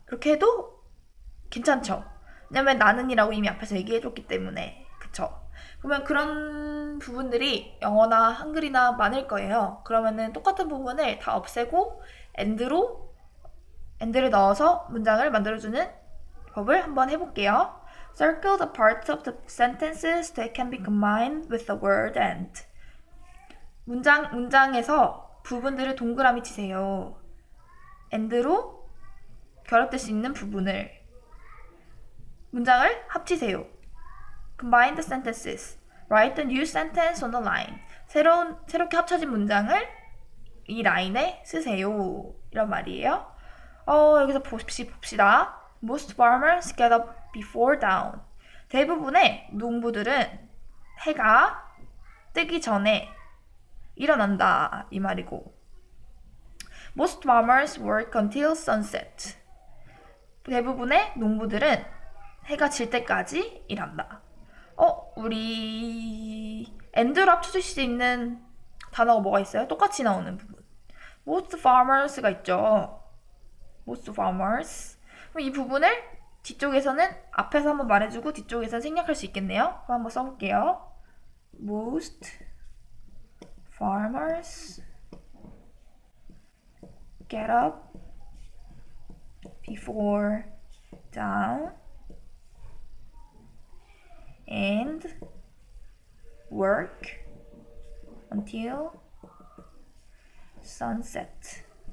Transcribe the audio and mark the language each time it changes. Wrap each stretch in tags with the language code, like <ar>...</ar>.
<ko>이렇게 해도 괜찮죠? 왜냐면 나는이라고 이미 앞에서 얘기해줬기 때문에. 그쵸? 그러면 그런 부분들이 영어나 한글이나 많을 거예요. 그러면은 똑같은 부분을 다 없애고 엔드를 넣어서 문장을 만들어주는 법을 한번 해볼게요.</ko> <en>Circle the parts of the sentences that can be combined with the word and.</en> <ko>문장에서 부분들을 동그라미 치세요. and로 결합될 수 있는 부분을. 문장을 합치세요.</ko> <en>Combine the sentences. Write a new sentence on the line.</en> <ko>새롭게 합쳐진 문장을 이 라인에 쓰세요. 이런 말이에요. 여기서 봅시다.</ko> <en>Most farmers get up before dawn.</en> <ko>대부분의 농부들은 해가 뜨기 전에 일어난다. 이 말이고.</ko> <en>Most farmers work until sunset.</en> <ko>대부분의 농부들은 해가 질 때까지 일한다. 우리 and로 합쳐줄 수 있는 단어가 뭐가 있어요? 똑같이 나오는 부분.</ko> <en>Most farmers</en> <ko>가 있죠.</ko> <en>Most farmers.</en> <ko>그럼 이 부분을 뒤쪽에서는 앞에서 한번 말해주고 뒤쪽에서는 생략할 수 있겠네요. 그럼 한번 써볼게요.</ko> <en>Most farmers get up before dawn and work until sunset.</en>